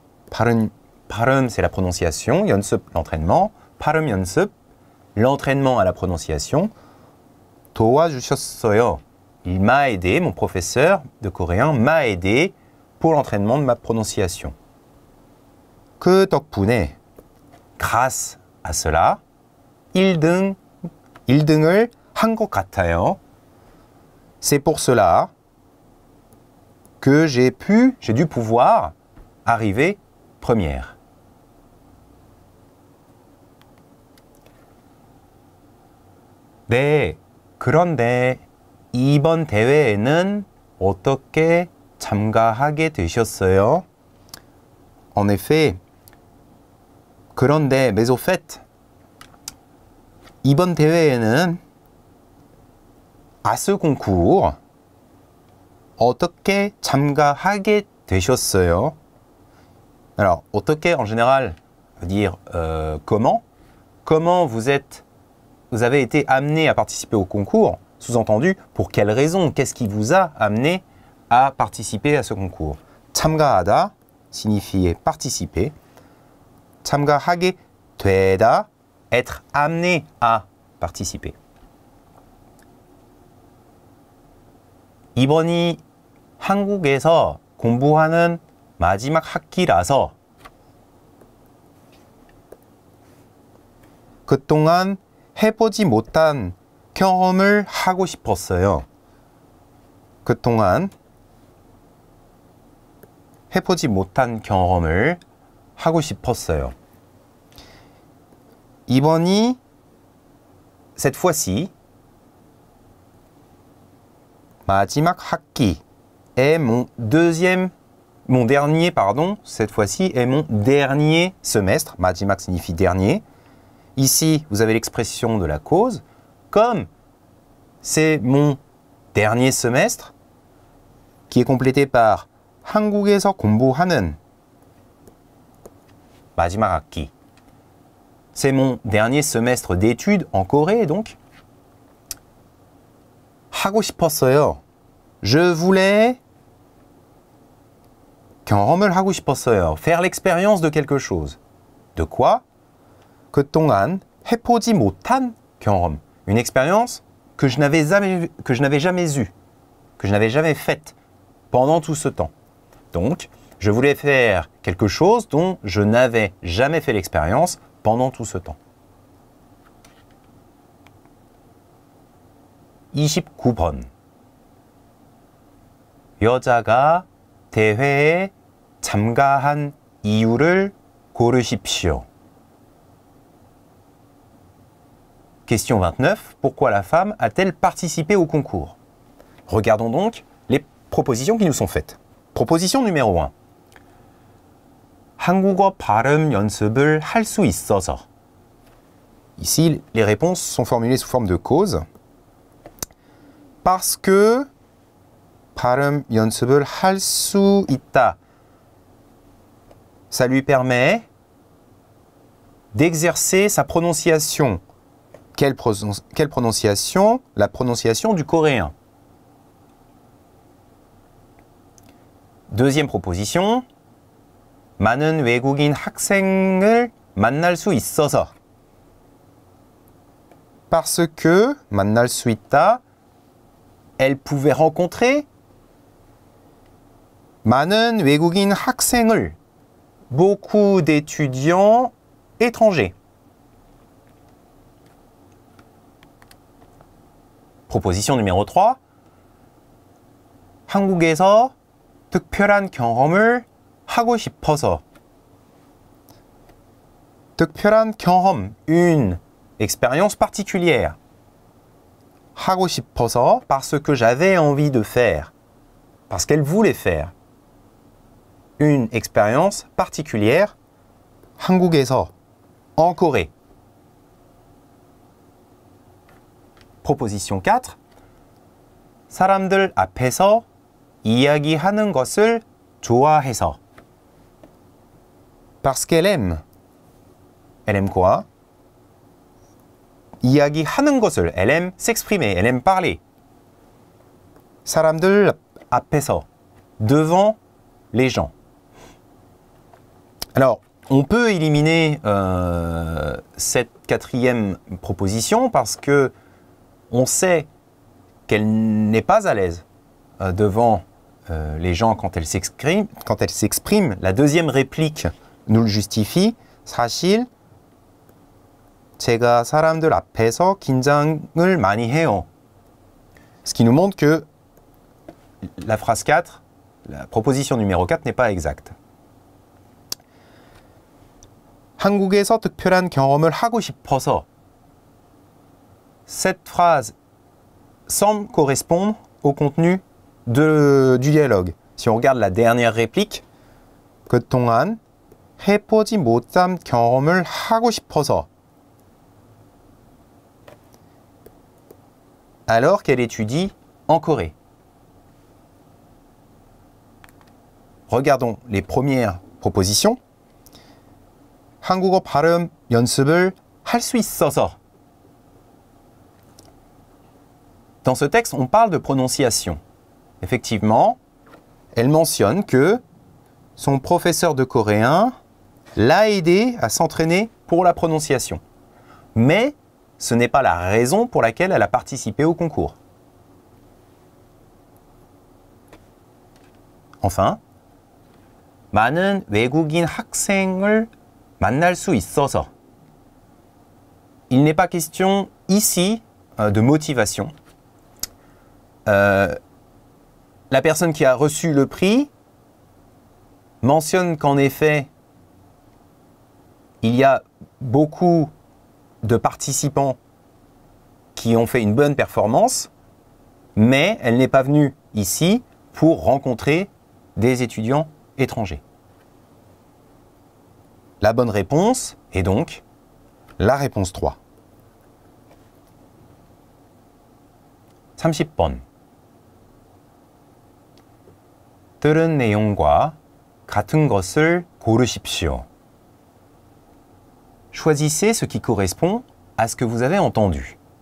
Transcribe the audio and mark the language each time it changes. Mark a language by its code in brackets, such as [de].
[ko] 발음 Parum, [fr] c'est la prononciation. [ko] Yonsup, [fr] l'entraînement. Parum, yonsup, l'entraînement à la prononciation. [ko] Toa, jushosoyo. [fr] Il m'a aidé, mon professeur de coréen m'a aidé pour l'entraînement de ma prononciation. [ko] Que tokpune. [fr] Grâce à cela, [ko] il dung을 한 것 같아요. [fr] C'est pour cela que j'ai dû pouvoir arriver première. [ko] 네, 그런데 이번 대회에는 어떻게 참가하게 되셨어요? [fr] En effet, [ko] 그런데, [fr] mais au fait, [ko] 이번 대회에는 [fr] à ce concours, [ko] 어떻게 참가하게 되셨어요? [fr] Alors, 어떻게, en général, veut dire comment? Comment vous avez été amené à participer au concours, sous-entendu, pour quelle raison? Qu'est-ce qui vous a amené à participer à ce concours? 참가하다 signifie participer. [ko] 참가하게 되다, [fr] être amené à participer. [ko] 이번이 한국에서 공부하는 마지막 학기라서 그동안 해보지 못한 경험을 하고 싶었어요. 그동안 해보지 못한 경험을 하고 싶었어요. 이번이 [fr] cette fois-ci [ko] 마지막 학기 [fr] est mon dernier, cette fois-ci est mon dernier semestre. 마지막 signifie dernier. Ici, vous avez l'expression de la cause. Comme c'est mon dernier semestre, qui est complété par [ko] 한국에서 공부하는 마지막 학기. [fr] C'est mon dernier semestre d'études en Corée, donc. [ko] 하고 싶었어요. [fr] Je voulais [ko] 경험을 하고 싶었어요. [fr] Faire l'expérience de quelque chose. De quoi? [ko] 그동안 해보지 못한 경험, [fr] une expérience que je n'avais jamais faite pendant tout ce temps. Donc, je voulais faire quelque chose dont je n'avais jamais fait l'expérience pendant tout ce temps. [ko] 29번 여자가 대회에 참가한 이유를 고르십시오. [fr] Question 29. Pourquoi la femme a-t-elle participé au concours? Regardons donc les propositions qui nous sont faites. Proposition numéro 1. [ko] 한국어 발음 연습을 할 수 있어서. [fr] Ici, les réponses sont formulées sous forme de cause. Parce que [ko] 발음 연습을 할 수 있다. [fr] Ça lui permet d'exercer sa prononciation. Quelle prononciation? La prononciation du coréen. Deuxième proposition. [ko] 많은 외국인 학생을 만날 수 있어서. [fr] Parce que [ko] 만날 수 있다. [fr] Elle pouvait rencontrer [ko] 많은 외국인 학생을 [fr] beaucoup d'étudiants étrangers. Proposition numéro 3. [ko] 한국에서 특별한 경험을 하고 싶어서. 특별한 경험, [fr] une expérience particulière. [ko] 하고 싶어서 [fr] parce que j'avais envie de faire. Parce qu'elle voulait faire. Une expérience particulière. [ko] 한국에서 [fr] en Corée. Proposition 4. [ko] 사람들 앞에서 이야기하는 것을 좋아해서. [fr] Parce qu'elle aime. Elle aime quoi? [ko] 이야기하는 것을. [fr] Elle aime s'exprimer. Elle aime parler. 사람들 앞에서. Devant les gens. Alors, on peut éliminer cette quatrième proposition parce que on sait qu'elle n'est pas à l'aise devant les gens quand elle s'exprime. La deuxième réplique nous le justifie. [ko] 사실 제가 사람들 앞에서 긴장을 많이 해요. [fr] Ce qui nous montre que la phrase 4, la proposition numéro 4 n'est pas exacte. 한국에서 특별한 경험을 하고 싶어서. Cette phrase semble correspondre au contenu du dialogue. Si on regarde la dernière réplique. [ko] 그동안 해보지 못한 경험을 하고 싶어서. [fr] Alors qu'elle étudie en Corée. Regardons les premières propositions. [ko] 한국어 발음 연습을 할 수 있어서. [fr] Dans ce texte, on parle de prononciation. Effectivement, elle mentionne que son professeur de coréen l'a aidé à s'entraîner pour la prononciation. Mais ce n'est pas la raison pour laquelle elle a participé au concours. Enfin, [ko] 많은 외국인 학생을 만날 수 있어서. [fr] Il n'est pas question ici de motivation. La personne qui a reçu le prix mentionne qu'en effet, il y a beaucoup de participants qui ont fait une bonne performance, mais elle n'est pas venue ici pour rencontrer des étudiants étrangers. La bonne réponse est donc la réponse 3. [ko] 30번. 들은 내용과 같은 것을 고르십시오. [fr] Choisissez ce qui correspond à ce que vous avez entendu.